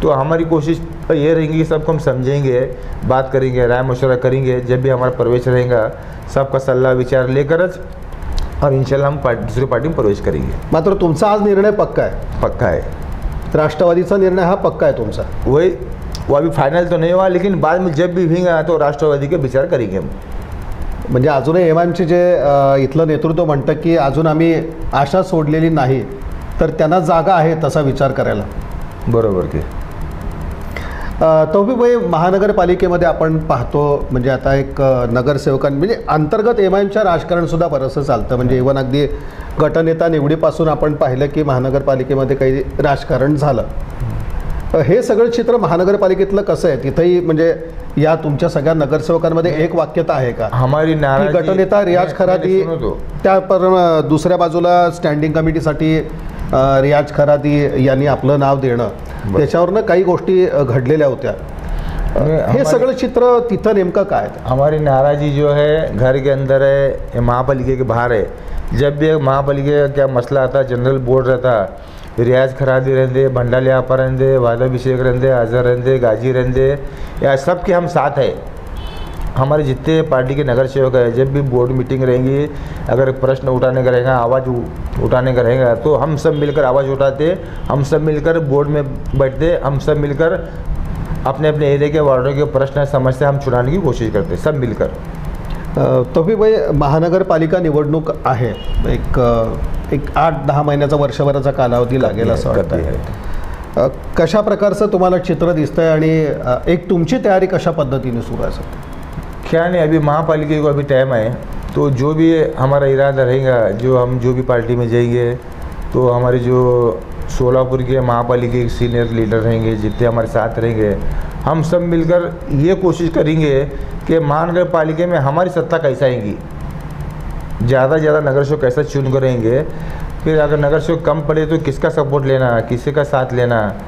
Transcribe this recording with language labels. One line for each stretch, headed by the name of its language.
Hindi: तो हमारी कोशिश ये रहेगी कि सबको हम समझेंगे, बात करेंगे, राय मशवरा करेंगे, जब भी हमारा प्रवेश रहेगा सबका सलाह विचार लेकर, और इंशाल्लाह हम दूसरी पार्टी में प्रवेश करेंगे।
Marathi: मात्र तुमचा आज निर्णय पक्का है?
Hindi: पक्का है,
Marathi: राष्ट्रवादीचा निर्णय हा पक्का है तुमचा?
Hindi: वही, वो अभी फाइनल तो नहीं हुआ, लेकिन बाद में जब भी होगा तो राष्ट्रवादी के विचार करेंगे हम।
Marathi: म्हणजे अजूनही एमआयएमचे जे इथलं नेतृत्व म्हणतं की अजून आम्ही आशा सोडलेली नाही, तर त्यांना जागा आहे तसा विचार करायला. बरोबर की तौफिकभाई, महानगरपालिकेमध्ये आपण पाहतो म्हणजे आता एक नगरसेवकां म्हणजे अंतर्गत एमआयएमच्या राजकारणसुद्धा बरंच चालतं, म्हणजे इव्हन अगदी गटनेता निवडीपासून आपण पाहिलं की महानगरपालिकेमध्ये काही राजकारण झालं. हे सगळं चित्र महानगरपालिकेतलं कसं आहे? तिथंही म्हणजे या तुमच्या सगळ्या नगरसेवकांमध्ये एक वाक्यता आहे का
Hindi: हमारी नाराजी,
Marathi: गटनेता रियाज खरादी त्या पर दुसऱ्या बाजूला स्टँडिंग कमिटीसाठी रियाज खरादी यांनी आपलं नाव देणं, त्याच्यावरनं काही गोष्टी घडलेल्या होत्या, हे सगळं चित्र तिथं नेमकं काय?
Hindi: हमारी नाराजी जो है घर के अंदर है, महापालिके के बाहर है. जब भी महापालिके का मसला आता, जनरल बोर्ड रहता, रियाज खरादी रहते, भंडाल यापा रहते, वादा अभिषेक रहते, आजहर रहते, गाजी रहते, या सब के हम साथ है. हमारे जितने पार्टी के नगर सेवक है, जब भी बोर्ड मीटिंग रहेंगी, अगर प्रश्न उठाने का रहेगा, आवाज़ उठाने का रहेगा, तो हम सब मिलकर आवाज़ उठाते, हम सब मिलकर बोर्ड में बैठते, हम सब मिलकर अपने अपने एरिया के वार्डों के प्रश्न समस्या हम चुनाने की कोशिश करते सब मिलकर.
Marathi: तो भी भाई, महानगरपालिका निवडणूक आहे, एक 8-10 महिन्याचा वर्षभराचा कालावधी लागेल असं वाटतं, कशा प्रकारचं तुम्हाला चित्र दिसतं आहे आणि एक तुमची तयारी कशा पद्धतीने सुरू आहे?
Hindi: क्या नहीं, अभी महापालिके को अभी टाइम आए, तो जो भी हमारा इरादा रहेगा, जो हम जो भी पार्टी में जाएंगे, तो हमारे जो सोलापुर के महापालिके के सीनियर लीडर रहेंगे, जितने हमारे साथ रहेंगे, हम सब मिलकर ये कोशिश करेंगे कि महानगर पालिके में हमारी सत्ता कैसे आएगी, ज़्यादा से ज़्यादा नगर सेवक कैसा चुन करेंगे, फिर अगर नगर सेवक कम पड़े तो किसका सपोर्ट लेना, किसी का साथ लेना.